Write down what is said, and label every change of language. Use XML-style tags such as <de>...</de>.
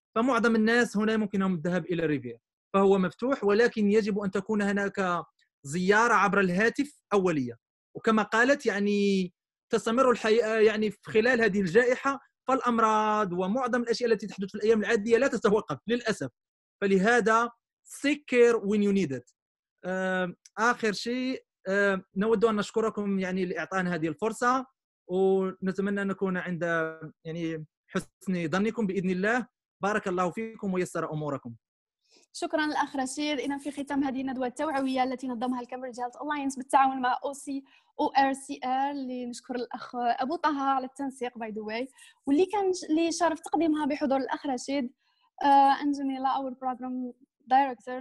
<ar>فمعظم الناس هنا ممكنهم الذهاب إلى ريفير، فهو مفتوح، ولكن يجب أن تكون هناك زيارة عبر الهاتف أولية. وكما قالت يعني تستمر الحياة يعني في خلال هذه الجائحة، فالأمراض ومعظم الأشياء التي تحدث في الأيام العادية لا تتوقف للأسف. فلهذا</ar> <en>seek care when you need it.</en> <ar>آخر شيء نود أن نشكركم يعني لإعطائنا هذه الفرصة، ونتمنى أن نكون عند يعني حسن ظنكم بإذن الله. بارك الله فيكم ويسر أموركم. شكراً للأخ رشيد. إذن في ختام هذه الندوة التوعوية التي نظمها الكامبريدج هيلث ألاينس بالتعاون مع OCORCR، اللي نشكر الأخ أبو طه على التنسيق</ar> <en>by the way,</en> <ar>واللي كان لي شرف تقديمها بحضور الأخ رشيد أنجميلا أور بروجرام دايركتور.</ar>